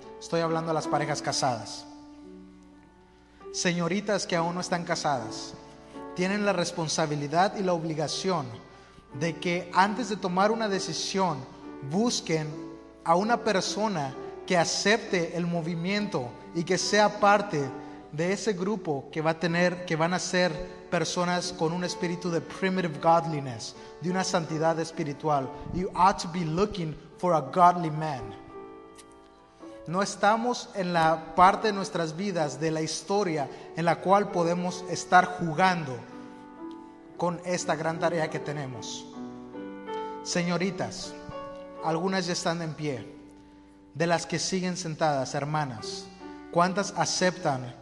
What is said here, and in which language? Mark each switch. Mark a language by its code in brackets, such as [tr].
[es] Estoy hablando a las parejas casadas. Señoritas que aún no están casadas tienen la responsabilidad y la obligación de que antes de tomar una decisión busquen a una persona que acepte el movimiento y que sea parte de ese grupo que van a ser personas con un espíritu de [en] primitive godliness, [es] de una santidad espiritual. [en] You ought to be looking for a godly man. [es] No estamos en la parte de nuestras vidas, de la historia, en la cual podemos estar jugando con esta gran tarea que tenemos. Señoritas, algunas ya están en pie. De las que siguen sentadas, hermanas, ¿cuántas aceptan?